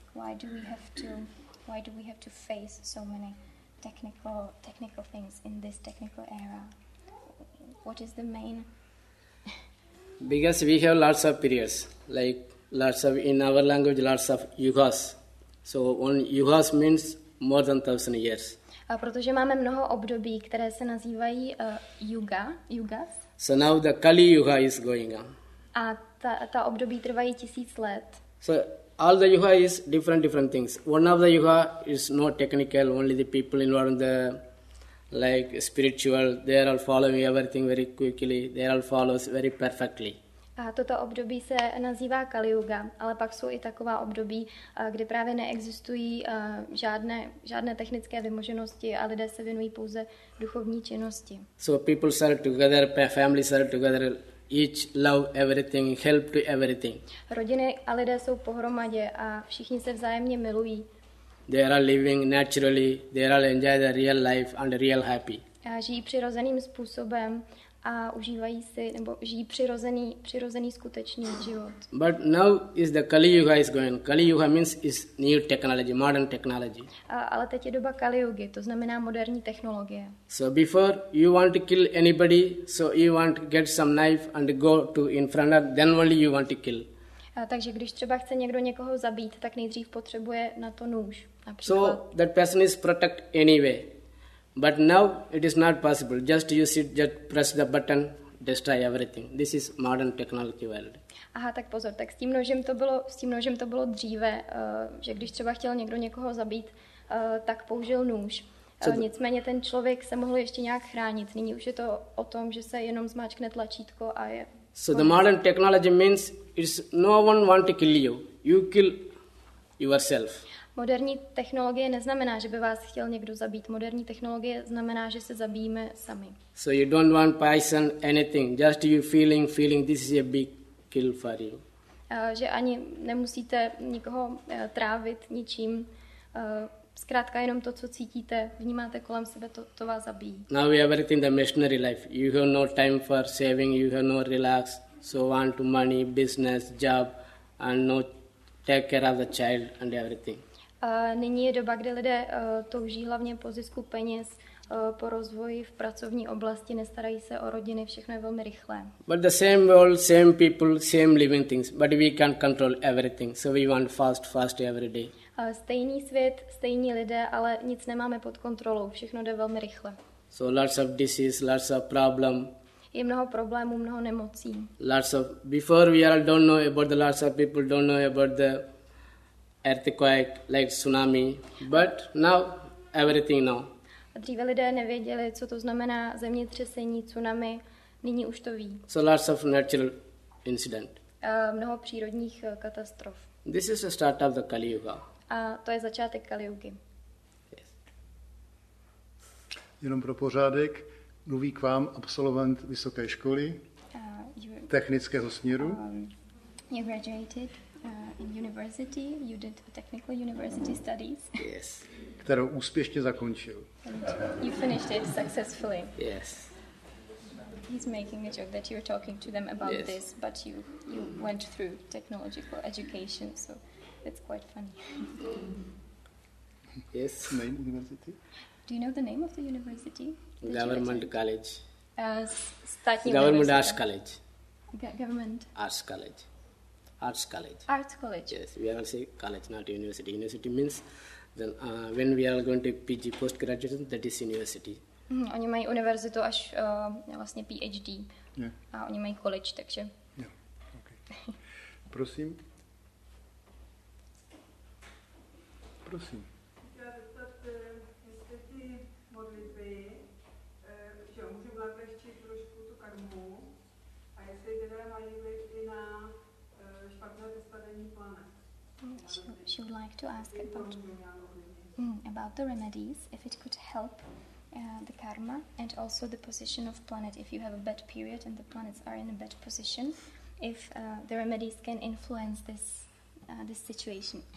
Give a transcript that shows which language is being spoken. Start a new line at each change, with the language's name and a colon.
English: Why do we have to face so many technical things in this technical era? What is the main? Because we have lots of periods, like lots of, in our language, lots of yugas. So one yugas means more than 1000 years.
Czech: A protože máme mnoho období, které se nazývají yugas.
English: So now the Kali Yuga is going on.
Czech: A ta období trvají 1000 let.
English: So all the yuga is different things. One of the yuga is not technical, only the people involved in the like spiritual, they are all following everything very quickly, they are all follows very perfectly.
Czech: A toto období se nazývá Kali Yuga, ale pak jsou i taková období, kde právě neexistují žádné technické vymoženosti a lidé se věnují pouze duchovní činnosti.
English: So people are together, families are together, each love everything, help to everything.
Czech: Rodiny a lidé jsou pohromadě a všichni se vzájemně milují.
English: They are living naturally, they are enjoy the real life and real happy.
Czech: A žijí přirozeným způsobem a užívají si nebo žijí přirozený skutečný život.
English: But now is the Kali Yuga is going. Kali Yuga means is new technology, modern technology.
Czech: Ale teď je doba Kali Yugi, to znamená moderní technologie.
English: So before you want to kill anybody, so you want to get some knife and go to in front of, then only you want to kill.
Czech: Takže když třeba chce někdo někoho zabít, tak nejdřív potřebuje na to nůž. Například.
English: So that person is protect anyway. But now it is not possible. Just you sit, just press the button, destroy everything. This is modern technology world.
Czech: Aha, tak pozor, tak s tím nožem to bylo dříve, že když třeba chtěl někdo někoho zabít, tak použil nůž. Nicméně ten člověk se mohl ještě nějak chránit. Nyní už je to o tom, že se jenom zmáčkne tlačítko a je...
English: So the modern technology means it's no one want to kill you. You kill yourself.
Czech: Moderní technologie neznamená, že by vás chtěl někdo zabít. Moderní technologie znamená, že se zabijeme sami.
English: So you don't want poison anything. Just you feeling this is a big kill for you.
Czech: Že ani nemusíte nikoho trávit ničím. Zkrátka jenom to, co cítíte, vnímáte kolem sebe, to vás zabíjí.
English: Now we are in the missionary life. You have no time for saving, you have no relax. So on to money, business, job and no take care of the child and everything.
Czech: Nyní je doba, kde lidé touží hlavně po zisku peněz, po rozvoji v pracovní oblasti, nestarají se o rodiny, všechno je velmi rychlé.
English: But the same world, same people, same living things, but we can't control everything. So we want fast every day.
Czech: Stejný svět, stejní lidé, ale nic nemáme pod kontrolou, všechno jde velmi rychle.
English: So lots of disease, lots of problem.
Czech: Je mnoho problémů, mnoho nemocí.
English: Lots of, before we all don't know about the lots of people, don't know about the earthquake, like tsunami, but now everything now.
Czech: Dříve lidé nevěděli, co to znamená zemětřesení, tsunami, nyní už to ví.
English: So lots of natural incident.
Czech: Mnoho přírodních katastrof.
English: This is the start of the Kali Yuga.
Czech: A to je začátek Kali Yugy. Jenom pro pořádek, mluví k vám absolvent vysoké školy technického směru.
English: You graduated in university, you did technical university studies. Yes. Kterou úspěšně zakončil. And you finished it successfully. Yes. He's making a joke that you're talking to them about yes. this, but you went through technological education, so it's quite funny. Yes, main university. Do you know the name of the university? Government College. Government University. Arts College. Government. Arts College. Arts College. Arts College. Yes, we are saying college, not university. University means then when we are going to PG post graduation, that is university.
Czech: Oni mají univerzitu až vlastně PhD.
English: Yeah.
Czech: A oni mají college, takže.
English: Yeah. Okay.
Czech: Prosím. Prosím. Chtěla zeptat, jestli ty modlitby, že můžu lehčit trošku tu karmu, a jestli teda mají vliv i na špatné vystavení planet.
English: She would like to ask about the remedies, if it could help. The karma and also the position of planet. If you have a bad period and the planets are in a bad position, if the remedies can influence this situation.